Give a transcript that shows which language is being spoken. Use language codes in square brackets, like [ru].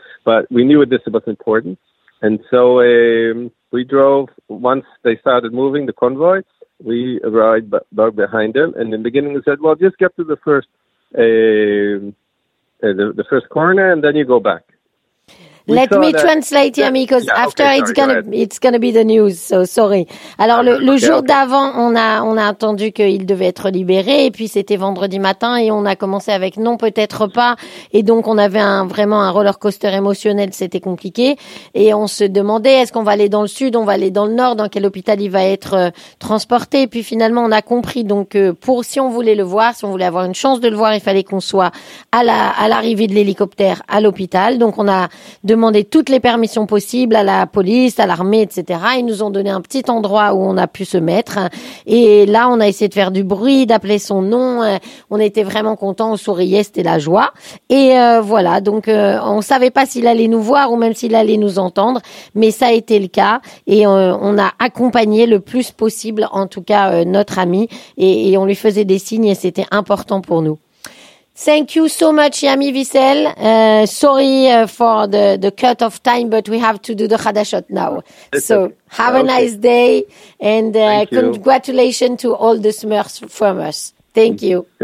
[en] But we knew this was important. And so we drove, once they started moving the convoy, we arrived behind them. And in the beginning, they said, well, just get to the first corner and then you go back. Let me translate, Yami, because after it's gonna be the news. So sorry. [fr] Alors le jour d'avant, on a entendu qu'il devait être libéré, et puis c'était vendredi matin, et on a commencé avec non, peut-être pas, et donc on avait vraiment un roller coaster émotionnel. C'était compliqué, et on se demandait est-ce qu'on va aller dans le sud, on va aller dans le nord, dans quel hôpital il va être transporté. Et puis finalement, on a compris donc si on voulait le voir, si on voulait avoir une chance de le voir, il fallait qu'on soit à l'arrivée de l'hélicoptère à l'hôpital. Donc on a demandé toutes les permissions possibles à la police, à l'armée, etc. Ils nous ont donné un petit endroit où on a pu se mettre. Et là, on a essayé de faire du bruit, d'appeler son nom. On était vraiment contents, on souriait, c'était la joie. Et voilà, donc on savait pas s'il allait nous voir ou même s'il allait nous entendre, mais ça a été le cas. Et on a accompagné le plus possible, en tout cas, notre ami. Et on lui faisait des signes et c'était important pour nous. [en] Thank you so much, Yami Wiesel. Sorry for the cut of time, but we have to do the Hadashot now. So have a nice day, and congratulations to all the Smurfs from us. Thank you.